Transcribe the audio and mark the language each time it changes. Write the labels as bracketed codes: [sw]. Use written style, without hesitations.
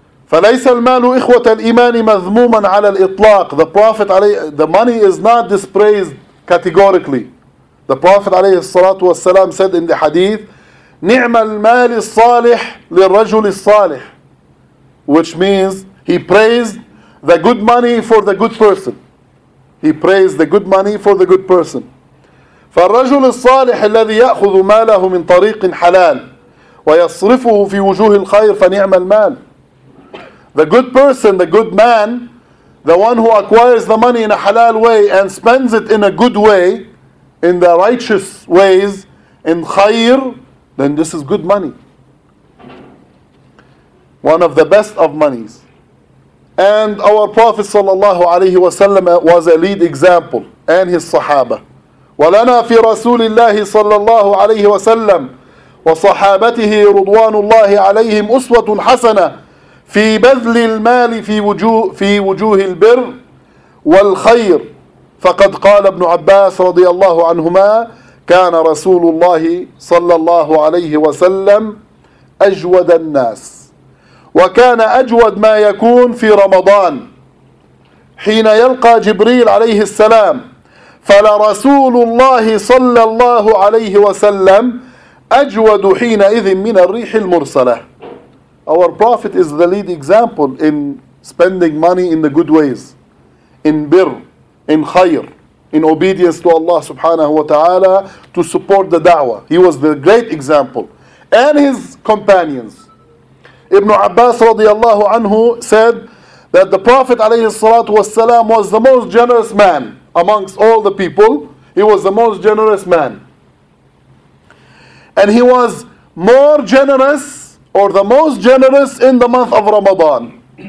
[ar] فَلَيْسَ الْمَالُ إِخْوَةَ الْإِيمَانِ مَذْمُومًا عَلَى الْإِطْلَاقِ [en] The Prophet, the money is not dispraised categorically. The Prophet والسلام, said in the hadith, [ar] نِعْمَ الْمَالِ الصَّالِحِ لِلْرَجُلِ الصَّالِحِ [en] Which means he praised the good money for the good person. He praised the good money for the good person. [ar] فالرجل الصالح الذي يأخذ ماله من طريق حلال ويصرفه في وجوه الخير فنعم المال. [en] The good person, the good man, the one who acquires the money in a halal way and spends it in a good way, in the righteous ways, in khair, then this is good money. One of the best of monies. And our Prophet sallallahu alayhi wa sallam was a lead example, and his Sahaba. [ar] وَلَنَا فِي رَسُولِ اللَّهِ صَلَّى اللَّهُ عَلَيْهِ وَسَلَّمْ وَصَحَابَتِهِ رُضْوَانُ اللَّهِ عَلَيْهِمْ أُسْوَةٌ حَسَنَةٌ فِي بَذْلِ الْمَالِ فِي وُجُوهِ الْبِرِّ وَالْخَيْرِ فَقَدْ قَالَ ابْنُ عَبَّاسَ رَضِيَ اللَّهُ عَنْهُمَا كَانَ رَسُولُ اللَّهِ صَلَّى اللَّهُ عَلَيْهِ وَسَلَّمْ أَجْوَدَ النَّاسِ وكان أجود ما يكون في رمضان حين يلقى جبريل عليه السلام فلرسول الله صلى الله عليه وسلم أجود حينئذ من الريح المرسلة [en] Our Prophet is the lead example in spending money in the good ways, in birr, in khair, in obedience to Allah subhanahu wa ta'ala to support the da'wah. He was the great example. And his companions. Ibn Abbas radiallahu anhu said that the Prophet alayhi salatu wasalam was the most generous man amongst all the people. He was the most generous man. And he was more generous or the most generous in the month of Ramadan.